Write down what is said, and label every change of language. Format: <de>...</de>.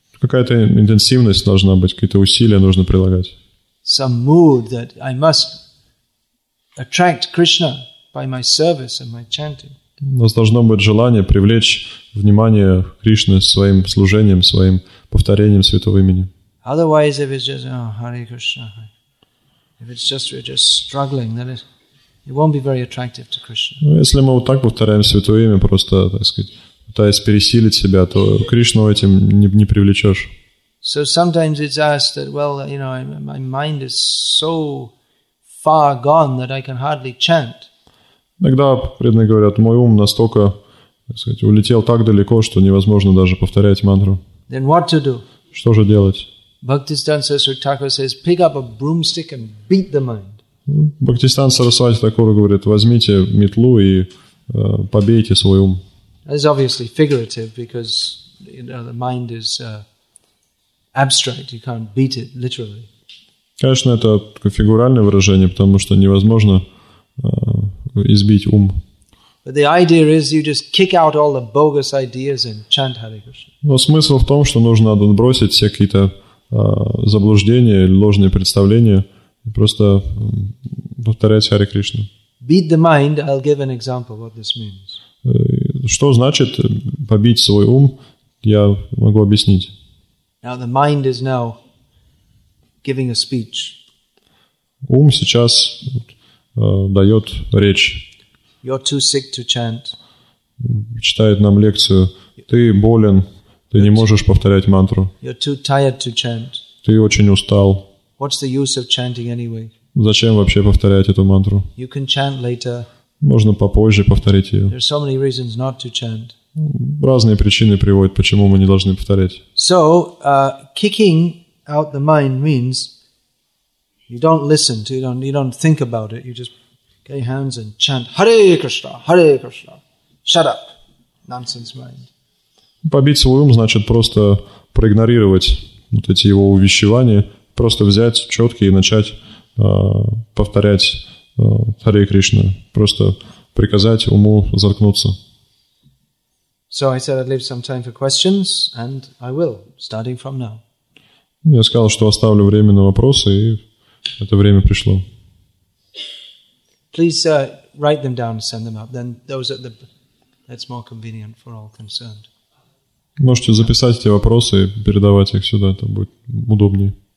<ru>Какая-то интенсивность должна быть, какие-то усилия нужно прилагать.</ru> <en>Some mood that I must attract Krishna by my service and my chanting.</en> <ru>У нас должно быть желание привлечь внимание Кришны своим служением, своим повторением святого имени.</ru> <en>Otherwise, if it's just, Hare Krishna, Hare. If it's just we're just struggling, then it won't be very attractive to Krishna.</en> <ru>Ну, если мы вот так повторяем святое имя, просто, так сказать, пытаясь пересилить себя, то Кришну этим не привлечешь.</ru> <en>So sometimes it's asked that, well, you know, my mind is so far gone that I can hardly chant.</en> <ru>Иногда преданные говорят, мой ум настолько, так сказать, улетел так далеко, что невозможно даже повторять мантру.</ru> <en>Then what to do?</en> <ru>Что же делать?</ru> <en>Bhaktisthana Saraswati Thakur says, pick up a broomstick and beat the mind.</en> <ru>Bhaktisthana Saraswati Thakur говорит, возьмите метлу и побейте свой ум.</ru> <en>It's obviously figurative because you know, the mind is abstract, you can't beat it literally.</en> <ru>Конечно, это такое фигуральное выражение, потому что невозможно избить ум.</ru> <en>But the idea is you just kick out all the bogus ideas and chant Hare Krishna.</en> <ru>Но смысл в том, что нужно отбросить все какие-то заблуждения или ложные представления и просто повторять Hare Krishna.</ru> <en>Beat the mind, I'll give an example what this means.</en> <ru>Что значит побить свой ум? Я могу объяснить.</ru> <en>Now the mind is now giving a speech.</en> <ru>Ум сейчас дает речь.</ru> <en>You're too sick to chant.</en> <ru>Читает нам лекцию. Ты болен, ты не можешь повторять мантру.</ru> <en>You're too tired to chant.</en> <ru>Ты очень устал.</ru> <en>What's the use of chanting anyway?</en> <ru>Зачем вообще повторять эту мантру?</ru> <en>You can chant later.</en> <ru>Можно попозже повторить ее.</ru> <en>There are so many reasons not to chant.</en> <ru>Разные причины приводят, почему мы не должны повторять.</ru> <en>So, kicking out the mind means you don't listen, to, you don't think about it. You just get your hands and chant Hare Krishna, shut up, nonsense mind.</en> <ru>Побить свой ум значит просто проигнорировать вот эти его увещевания, просто взять четкие и начать повторять Hare Krishna, просто приказать уму заткнуться.</ru> <en>So I said I'd leave some time for questions, and I will, starting from now.</en> <ru>Я сказал, что оставлю время на вопросы, и это время пришло.</ru> <en>Please write them down and send them up. Then those at the that's more convenient for all concerned.</en> <ru>Можете записать эти вопросы и передавать их сюда, это будет удобнее.</ru>